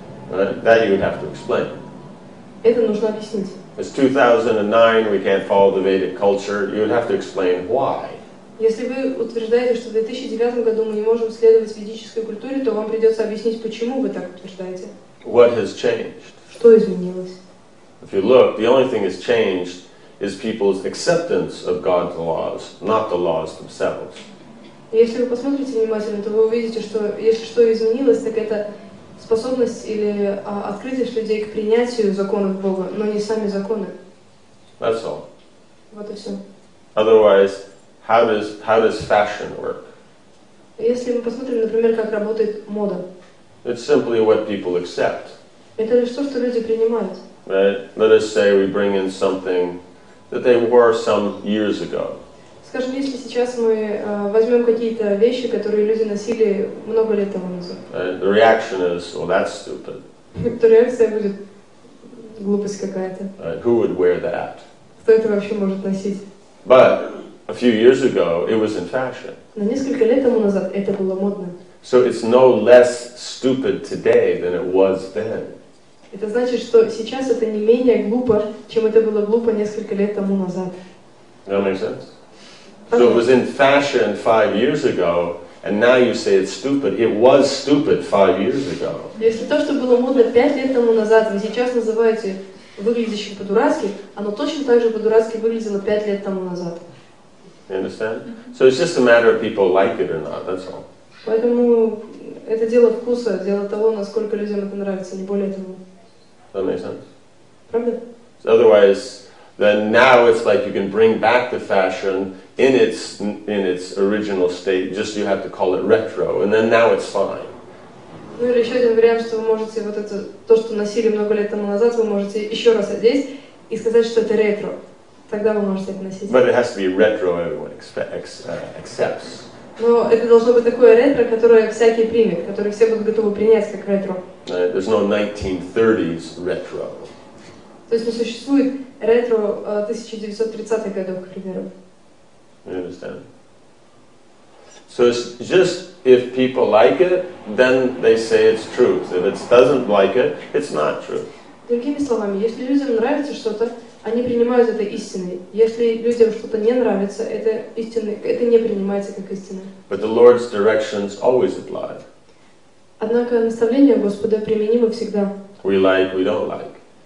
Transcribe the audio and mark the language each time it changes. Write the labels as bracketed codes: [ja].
[en] That you would have to explain. [ru] Это нужно объяснить. [en] It's 2009, we can't follow the Vedic culture. You would have to explain why. [ru] Если вы утверждаете, что в 2009 году мы не можем следовать ведической культуре, то вам придется объяснить, почему вы так утверждаете. [en] What has changed? [ru] Что изменилось? [en] If you look, the only thing has changed is people's acceptance of God's laws, not the laws themselves. [ru] Если вы посмотрите внимательно, то вы увидите, что если что изменилось, так это способность или открытость людей к принятию законов Бога, но не сами законы. [en] That's all. [ru] Вот и все. [en] Otherwise, how does fashion work? [ru] Если мы посмотрим, например, как работает мода. [en] It's simply what people accept. [ru] Это лишь то, что люди принимают. [en] Right? Let us say we bring in something that they wore some years ago. [ru] Скажем, если сейчас мы возьмем какие-то вещи, которые люди носили много лет тому назад. [en] The reaction is, well, that's stupid. [ru] То реакция будет глупость какая-то. [en] Who would wear that? [ru] Кто это вообще может носить? [en] But a few years ago, it was in fashion. [ru] Но несколько лет тому назад это было модно. [en] So it's no less stupid today than it was then. [ru] Это значит, что сейчас это не менее глупо, чем это было глупо несколько лет тому назад. [en] That makes sense? So it was in fashion 5 years ago, and now you say it's stupid. It was stupid 5 years ago. [ru] Если то, что было модно 5 лет тому назад, вы сейчас называете выглядящим по-дурацки, оно точно так же по-дурацки выглядело 5 лет тому назад. [en] You understand? So it's just a matter of people like it or not, that's all. [ru] Поэтому это дело вкуса, дело того, насколько людям это нравится, не более того. [en] That makes sense? [ru] Правда? [en] So otherwise, then now it's like you can bring back the fashion in its original state, just you have to call it retro, and then now it's fine. [ru] Ну или еще один вариант, что вы можете вот это то, что носили много лет тому назад, вы можете еще раз одеть и сказать, что это ретро. Тогда вы можете это носить. [en] But it has to be retro, everyone accepts. [ru] Но это должно быть такое ретро, которое всякий примет, которое все будут готовы принять как ретро. [en] There's no 1930s retro. [ru] То есть не существует ретро 1930-х годов, к примеру. [en] You understand? So it's just if people like it, then they say it's truth. If it doesn't like it, it's not true. [ru] Другими словами, если людям нравится что-то, они принимают это истиной. Если людям что-то не нравится, это истина, это не принимается как истина. [en] But the Lord's directions always apply. [ru] Однако наставления Господа применимы всегда. [en] We like, we don't like.